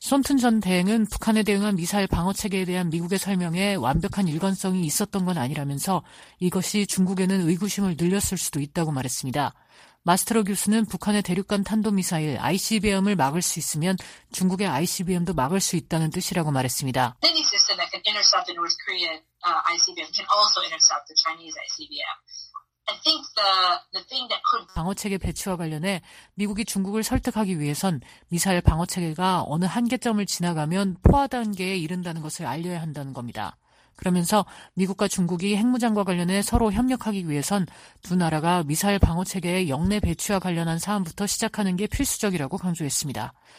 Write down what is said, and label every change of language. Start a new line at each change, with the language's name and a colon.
Korean: 손튼 전 대행은 북한에 대응한 미사일 방어 체계에 대한 미국의 설명에 완벽한 일관성이 있었던 건 아니라면서 이것이 중국에는 의구심을 늘렸을 수도 있다고 말했습니다. 마스터로 교수는 북한의 대륙간 탄도미사일 ICBM을 막을 수 있으면 중국의 ICBM도 막을 수 있다는 뜻이라고 말했습니다.
English: Any system that can intercept the North Korean ICBM can also intercept the Chinese ICBM. I think the thing that could
Korean: 방어체계 배치와 관련해 미국이 중국을 설득하기 위해선 미사일 방어체계가 어느 한계점을 지나가면 포화 단계에 이른다는 것을 알려야 한다는 겁니다. 그러면서 미국과 중국이 핵무장과 관련해 서로 협력하기 위해선 두 나라가 미사일 방어체계의 역내 배치와 관련한 사안부터 시작하는 게 필수적이라고 강조했습니다.